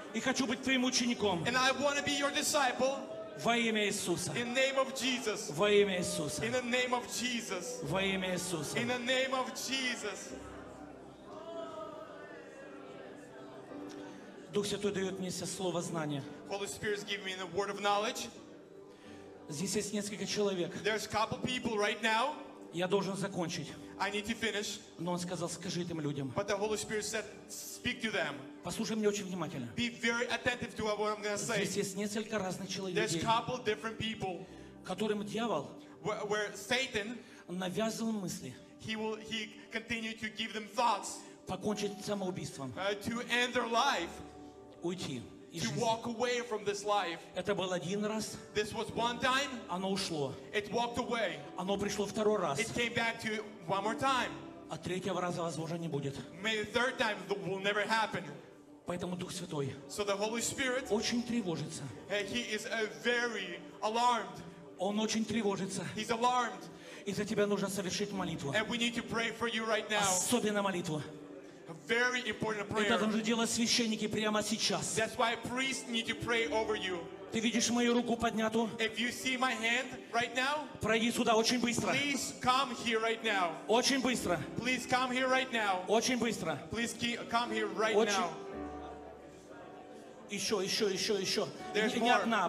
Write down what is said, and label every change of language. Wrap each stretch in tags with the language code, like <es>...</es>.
<ru>и хочу быть Твоим учеником,</ru> <en>and I want to be your disciple,</en> <ru>во имя Иисуса,</ru> <en>in name of Jesus,</en> <ru>во имя Иисуса,</ru> <en>in the name of Jesus,</en> <ru>во имя Иисуса,</ru> <en>in the name of Jesus.</en> <ru>Дух Святой дает мне сейчас слово знания.</ru> <en>Holy Spirit is giving me the word of knowledge.</en> <ru>Здесь есть несколько человек.</ru> <en>There's a couple people right now.</en> <ru>Я должен закончить.</ru> <en>I need to finish.</en> <ru>Но он сказал, скажи этим людям.</ru> <en>But the Holy Spirit said, speak to them.</en> <ru>Послушай меня очень внимательно.</ru> <en>Be very attentive to what I'm going to say.</en> <ru>Здесь есть несколько разных человек.</ru> <en>There's a couple different people.</en> <ru>Которым дьявол.</ru> <en>Where Satan.</en> <ru>Навязывал мысли.</ru> <en>He continued to give them thoughts.</en> <ru>Покончить самоубийством.</ru> <en>To end their life.</en> <ru>Уйти.</ru> <en>To walk away from this life.</en> <ru>Это был один раз.</ru> <en>This was one time.</en> <ru>Оно ушло.</ru> <en>It walked away.</en> <ru>Оно пришло второй раз.</ru> <en>It came back to one more time.</en> <ru>А третьего раза возможно не будет.</ru> <en>Maybe third time will never happen.</en> <ru>Поэтому Дух Святой.</ru> <en>So the Holy Spirit.</en> <ru>Очень тревожится.</ru> <en>He is very alarmed.</en> <ru>Он очень тревожится.</ru> <en>He's alarmed.</en> <ru>И за тебя нужно совершить молитву.</ru> <en>And we need to pray for you right now.</en> <ru>Особенно молитву.</ru> <en>A very important prayer.</en> <ru>Это должны делать священники прямо сейчас.</ru> <en>That's why priests need to pray over you.</en> <ru>Ты видишь мою руку подняту?</ru> <en>If you see my hand right now,</en> <ru>пройди сюда очень быстро.</ru> <en>Please come here right now.</en> <ru>Очень быстро.</ru> <en>Please come here right now.</en> <ru>Очень быстро.</ru> <en>Please come here right now.</en> <ru>Еще.</ru> <en>There's</en> <ru>не одна.</ru>